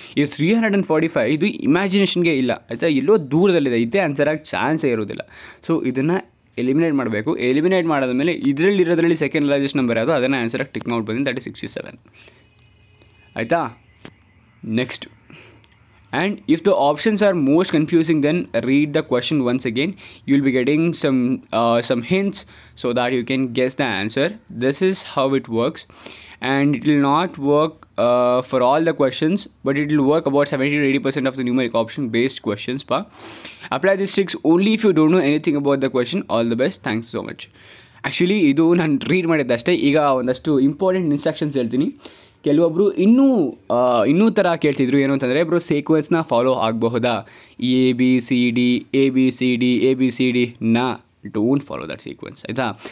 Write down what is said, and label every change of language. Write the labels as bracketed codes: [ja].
[kn] ಇದು 345 ಇದು ಇಮ್ಯಾಜಿನೇಷನ್ಗೆ ಇಲ್ಲ. ಆಯಿತಾ, ಎಲ್ಲೋ ದೂರದಲ್ಲಿದೆ, ಇದೇ ಆನ್ಸರ್ ಆಗಿ ಚಾನ್ಸೇ ಇರೋದಿಲ್ಲ. ಸೊ ಇದನ್ನು ಎಲಿಮಿನೇಟ್ ಮಾಡಬೇಕು. ಎಲಿಮಿನೇಟ್ ಮಾಡಿದ್ಮೇಲೆ ಇದರಲ್ಲಿರೋದ್ರಲ್ಲಿ ಸೆಕೆಂಡ್ ಲಾರ್ಜೆಸ್ಟ್ ನಂಬರ್ ಯಾವುದು ಅದನ್ನು ಆನ್ಸರ್ ಆಗಿ ಟಿಕ್ ಮಾಡ್ಬೋದು. [en] That is 67. [kn] ಆಯಿತಾ, next, [en] And if the options are most confusing, then read the question once again. You'll be getting some hints so that you can guess the answer. This is how it works. And it will not work for all the questions, but it will work about 70-80% of the numeric option based questions. Apply these tricks only if you don't know anything about the question. All the best. Thanks so much. [kn] Actually, ಇದು ನಾನು read ಮಾಡಿದ್ದಷ್ಟೇ. ಈಗ ಒಂದಷ್ಟು important instructions ಹೇಳ್ತೀನಿ. ಕೆಲವೊಬ್ಬರು ಇನ್ನೂ ಥರ ಕೇಳ್ತಿದ್ರು, ಏನು ಅಂತಂದರೆ ಬ್ರೋ ಸೀಕ್ವೆನ್ಸ್ನ ಫಾಲೋ ಆಗಬಹುದಾ, A B C D A B C D A B C D ನ [en] don't follow that sequence [kn] ಆಯಿತಾ.